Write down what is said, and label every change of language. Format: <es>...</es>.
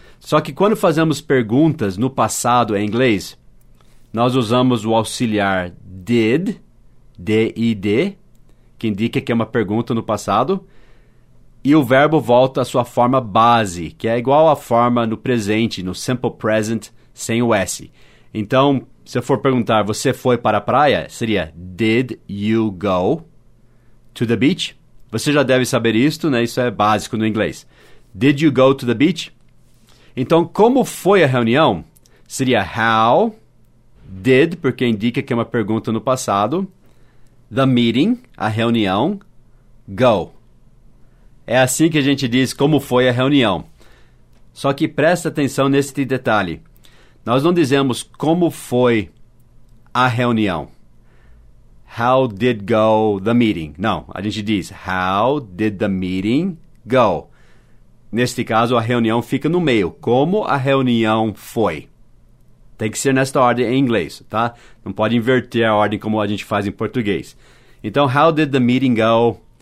<pt>Só que quando fazemos perguntas no passado em inglês, nós usamos o auxiliar did, D-I-D, que indica que é uma pergunta no passado, e o verbo volta à sua forma base, que é igual à forma no presente, no simple present, sem o S. Então, se eu for perguntar, você foi para a praia? Seria,</pt> <en>did you go to the beach?</en> <pt>Você já deve saber isto, né? Isso é básico no inglês.</pt> <en>Did you go to the beach?</en> <pt>Então, como foi a reunião? Seria,</pt> <en>how did,</en> <pt>porque indica que é uma pergunta no passado.</pt> <en>The meeting,</en> <pt>a reunião,</pt> <en>go.</en> <pt>É assim que a gente diz como foi a reunião. Só que presta atenção neste detalhe. Nós não dizemos como foi a reunião.</pt> <en>How did go the meeting?</en> <pt>Não, a gente diz</pt> <en>how did the meeting go?</en> <pt>Neste caso, a reunião fica no meio. Como a reunião foi? Tem que ser nesta ordem em inglês, tá? Não pode inverter a ordem como a gente faz em português. Então,</pt> <en>how did the meeting go?</en>